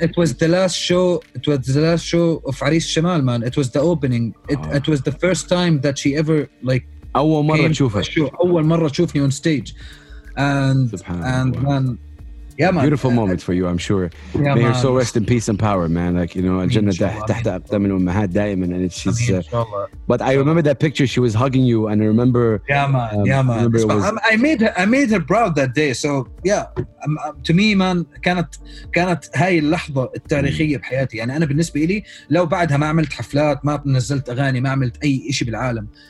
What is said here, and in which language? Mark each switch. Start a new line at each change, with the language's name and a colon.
English: Man, it was the last show of Aris Shamal, man. It was the opening. It was the first time that she ever like
Arabic: أول مرة تشوفها. أول مرة تشوفني
English: on stage.
Arabic: And man, yeah, man.
English: Beautiful moment for you, I'm sure. Yeah, may her soul rest in peace and power, man. Like, you know,
Arabic: الجنة تحت أقدام الأمهات دائما.
English: And she's. But I remember that picture, she was hugging you, and I remember. Yeah, man. I made her proud that day. So, yeah. To me, man,
Arabic: كانت هاي اللحظة التاريخية بحياتي. يعني أنا بالنسبة لي لو بعدها ما عملت حفلات, ما نزلت أغاني, ما عملت أي إشي بالعالم.